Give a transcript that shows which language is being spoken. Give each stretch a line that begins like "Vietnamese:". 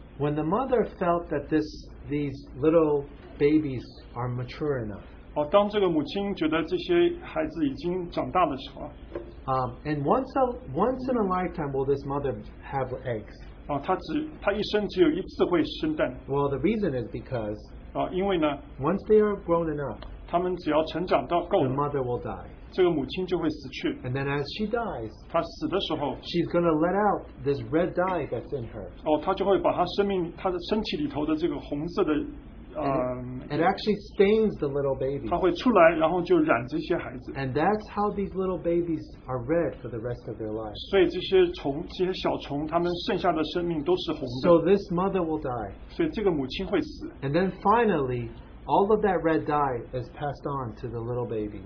English: When the mother felt that these little babies are mature enough,
Chinese: 当这个母亲觉得这些孩子已经长大的时候,
English: and once in a lifetime will this mother have eggs?
Chinese: 她一生只有一次会生蛋。
English: Well, the reason is because,
Chinese: 因为呢,
English: once they are grown enough,
Chinese: 他们只要成长到够了,
English: the mother will die.
Chinese: 这个母亲就会死去,
English: and then as she dies,
Chinese: 她死的时候,
English: she's going to let out this red dye that's in her.
Chinese: 她就会把她身体里头的这个红色的,
English: it actually stains the little baby.
Chinese: 她会出来, 然后就染这些孩子,
English: and that's how these little babies are red for the rest of their lives.
Chinese: 所以这些虫, 这些小虫, 她们剩下的生命都是红的.
English: So this mother will die.
Chinese: 所以这个母亲会死.
English: And then finally, all of that red dye is passed on to the little baby.